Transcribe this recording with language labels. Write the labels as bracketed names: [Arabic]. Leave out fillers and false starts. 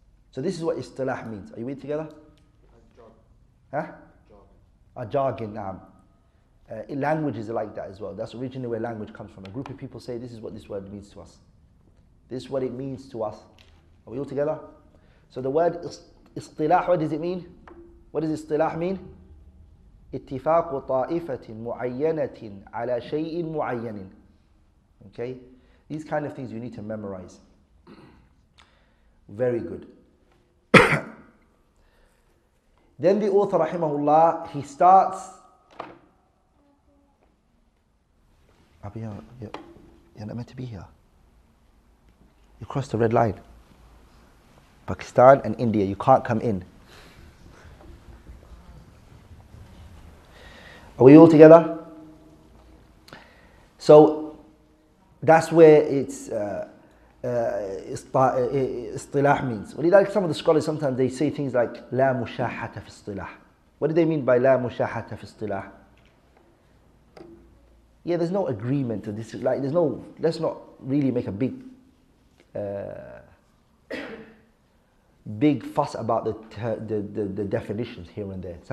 [English] So this is what istilah means. Are you with together? A jargon, na'am. Language is like that as well. That's originally where language comes from. A group of people say, this is what this word means to us. This is what it means to us. Are we all together? So the word istilah, what does it mean? What does istilah mean? [Arabic] اتفاق طائفة معينة على شيء معين. [English] Okay? These kind of things you need to memorize. Very good. Then the author, rahimahullah, he starts... You're not meant to be here. You crossed the red line. Pakistan and India, you can't come in. Are we all together? So that's where it's istilah means. Like some of the scholars, sometimes they say things like [Arabic] لا مشاحة في اصطلاح. [English] What do they mean by [Arabic] لا مشاحة في اصطلاح? [English] Yeah, there's no agreement to this. Like, there's no. Let's not really make a big fuss about the definitions here and there.